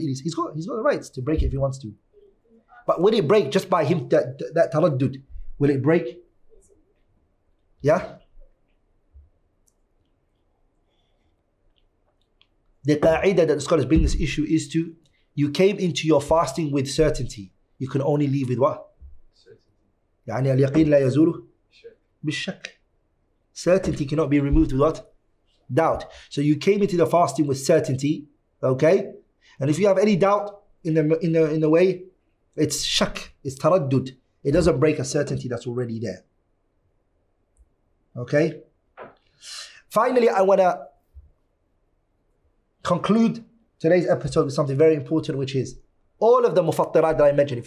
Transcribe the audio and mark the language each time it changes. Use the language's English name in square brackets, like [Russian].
[English] He's got the rights to break it if he wants to. But will it break just by him, that taraddud? Will it break? Yeah? The qa'idah that the scholars bring this issue is to, you came into your fasting with certainty. You can only leave with what? [Arabic] يعني اليقين لا يزول بالشك. [English] Certainty cannot be removed without doubt. So you came into the fasting with certainty, okay? And if you have any doubt in the way, it's shak, it's taraddud. It doesn't break a certainty that's already there. Okay? Finally, I want to conclude today's episode with something very important, which is all of the mufattirat that I mentioned.